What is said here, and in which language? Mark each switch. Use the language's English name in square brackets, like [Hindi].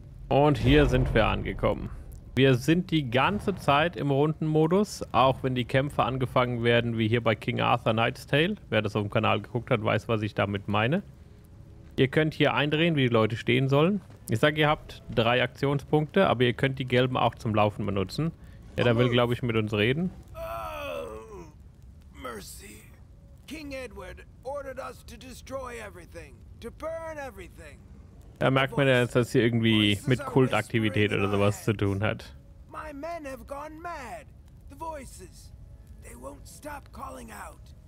[German] Und hier sind wir angekommen. Wir sind die ganze Zeit im Rundenmodus, auch wenn die Kämpfe angefangen werden, wie hier bei King Arthur Knight's Tale. Wer das auf dem Kanal geguckt hat, weiß, was ich damit meine. Ihr könnt hier eindrehen, wie die Leute stehen sollen. Ich sage, ihr habt 3 Aktionspunkte, aber ihr könnt die gelben auch zum Laufen benutzen. Ja, da will, glaube ich, mit uns reden. [English] Oh, Mercy. King Edward ordered us to destroy everything, to burn everything. [German] Da merkt man ja jetzt, dass hier irgendwie mit Kultaktivität oder sowas zu tun hat. [English] My men have gone mad. The voices. They won't stop calling out.